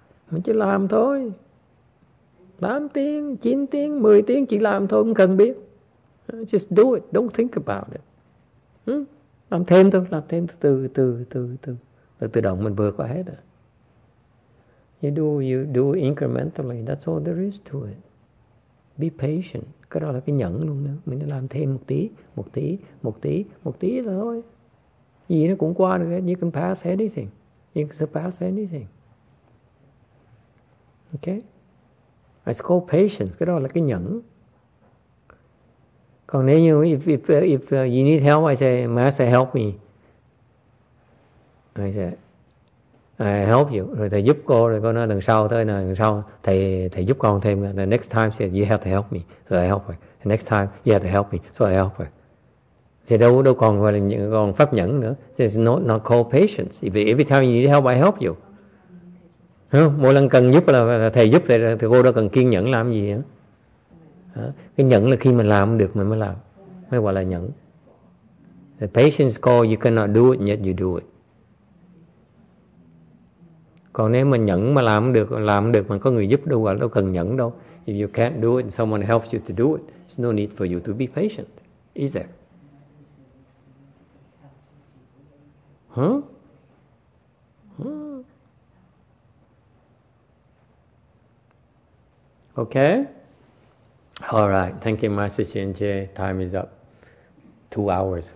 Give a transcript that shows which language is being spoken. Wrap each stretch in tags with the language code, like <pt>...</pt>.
<vi>Mình chỉ làm thôi. 8 tiếng, 9 tiếng, 10 tiếng chỉ làm thôi, không cần biết.</vi> <en>Just do it, don't think about it.</en> <vi>Làm thêm thôi, từ từ. Là tự động mình vừa có hết rồi.</vi> <en>You do incrementally, that's all there is to it. Be patient.</en> <vi>Cái đó là cái nhẫn luôn nữa. Mình làm thêm một tí thôi. Gì nó cũng qua được hết.</vi> <en>You can pass anything. You can surpass anything. Okay? It's called patience.</en> <vi>Cái đó là cái nhẫn. Còn nếu như</vi> <en>if you need help, I say, Master, help me. I say, I help you.</en> <vi>Rồi thầy giúp cô. Rồi cô nói lần sau thôi. Lần sau thầy giúp con thêm.</vi> <en>The next time, say, you have to help me. So I help her. The next time, you have to help me. So I help her.</en> <vi>Thì đâu còn gọi là những con pháp nhẫn nữa.</vi> <en>It's not called patience. If every time you need help, I help you.</en> <vi>Mỗi lần cần giúp là thầy giúp, thì cô đâu cần kiên nhẫn làm gì nữa. Cái nhẫn là khi mình làm được mình mới làm. Mới gọi là nhẫn.</vi> <en>The patience called you cannot do it, yet you do it.</en> <vi>Còn nếu mà nhẫn mà làm được mà có người giúp đâu gọi là đâu cần nhẫn đâu.</vi> <en>If you can't do it and someone helps you to do it, there's no need for you to be patient. Is there? Huh? Okay? All right. Thank you, Master Chenche. Time is up. 2 hours.</en>